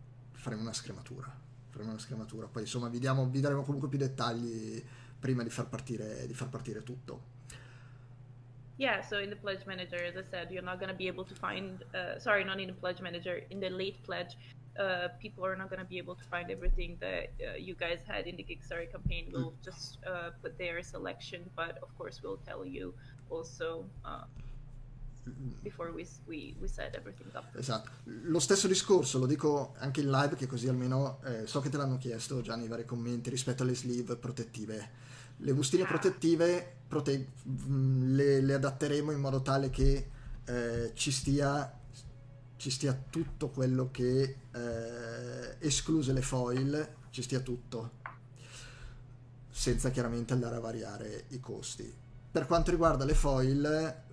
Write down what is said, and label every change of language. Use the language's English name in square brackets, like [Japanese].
[Italian] Faremo una scrematura. Poi insomma vi daremo comunque più dettagli prima di far partire tutto. [English] Yeah, so in the pledge manager, as I said, you're not going to be able to find, sorry, not in the pledge manager, in the late pledge, people are not going to be able to find everything that you guys had in the Kickstarter campaign. We'll just put their selection, but of course, we'll tell you also before we set everything up. [Italian] Esatto, lo stesso discorso lo dico anche in live, che così almeno so che te l'hanno chiesto già nei vari commenti rispetto alle sleeve protettive. Le bustine [English] Yeah. [Italian] protettive le adatteremo in modo tale che ci stia tutto quello che, escluse le foil, ci stia tutto, senza chiaramente andare a variare i costi. Per quanto riguarda le foil,